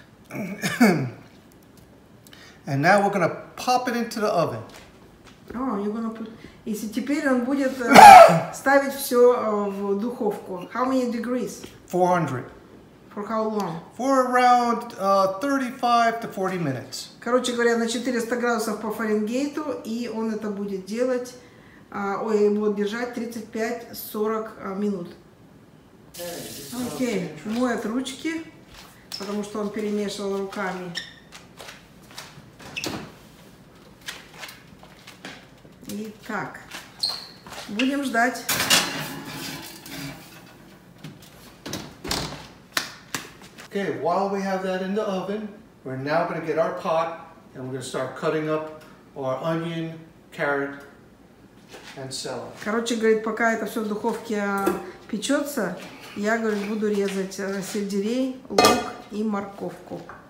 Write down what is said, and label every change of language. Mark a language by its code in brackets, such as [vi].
[en] And now we're gonna pop it into the oven. Oh, you're gonna put. [ru] Если теперь он будет ставить все в духовку. [en] How many degrees? 400. For how long? For around 35 to 40 minutes. [ru] Короче говоря, на 400 градусов по Фаренгейту, и он это будет делать, будет держать 35-40 минут. Окей, моет ручки, потому что он перемешивал руками. Итак, будем ждать. [en] Okay, while we have that in the oven, we're now going to get our pot and we're going to start cutting up our onion, carrot, and celery. [ru] Короче, говорит, пока это все в духовке печется, я, говорит, буду резать сельдерей, лук и морковку.